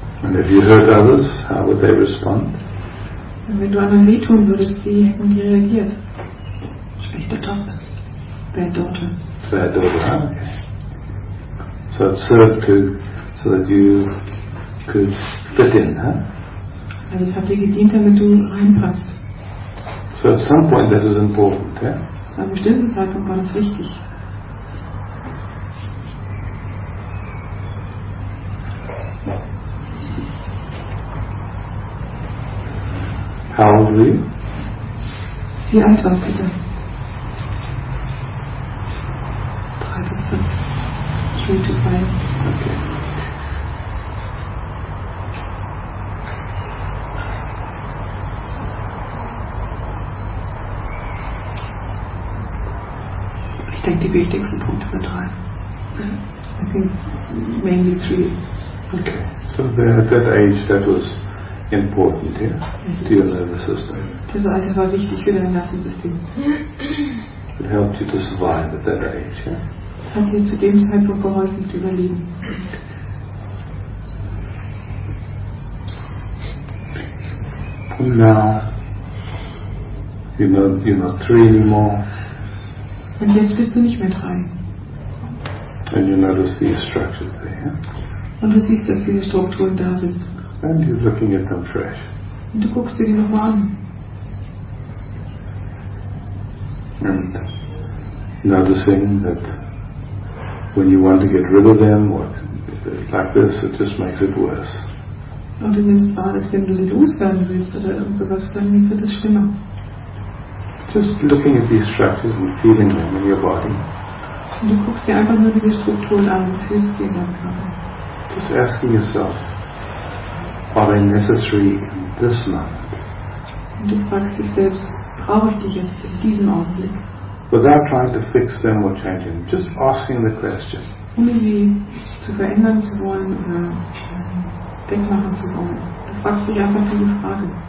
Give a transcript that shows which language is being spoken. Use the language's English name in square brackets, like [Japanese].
[English] If you hurt others, how would they respond? [German] Wenn du anderen wehtun würdest, wie hätten die reagiert? Schlechte Tochter. [English] Bad daughter. Bad daughter, okay. So it served to, so that you could fit in, huh? [German] Also es hat dir gedient, damit du reinpasst. [English] So at some point that is important, yeah? [German] Zu einem bestimmten Zeitpunkt war das wichtig. [English] How old are you? [German] Wie alt warst du denn? 3 bis 5. [English] 3 to 5. Okay. [German] Ich denke, die wichtigsten Punkte sind 3. [English] I think mainly 3. Okay. So at that age, that was important, yeah, to your nervous system. [German] Das Alter war wichtig für dein Nervensystem. [English] It helped you to survive at that age, yeah? [German] Es hat dir zu dem Zeitpunkt geholfen, zu überleben. [English] And now, you're not 3 anymore. [German] Und jetzt bist du nicht mehr 3. [English] And you notice these structures there, yeah? [German] Und du siehst, dass diese Strukturen da sind. [English] And you're looking at them fresh. [German] Und du guckst sie dir noch mal an. [English] And noticing that when you want to get rid of them, what, like this, it just makes it worse. [German] Und du nimmst wahr, dass wenn du sie loswerden willst oder irgendwas, dann wird es schlimmer. [English] Just looking at these structures and feeling them in your body. [German] Und du guckst dir einfach nur diese Strukturen an und fühlst sie in deinem Körper. [English] Just asking yourself, are they necessary in this moment? [German] Und du fragst dich selbst, brauche ich dich jetzt in diesem Augenblick? [English] Without trying to fix them or change them, just asking the question. [German] Ohne sie zu verändern zu wollen oder wegmachen zu wollen, du fragst dich einfach diese Frage.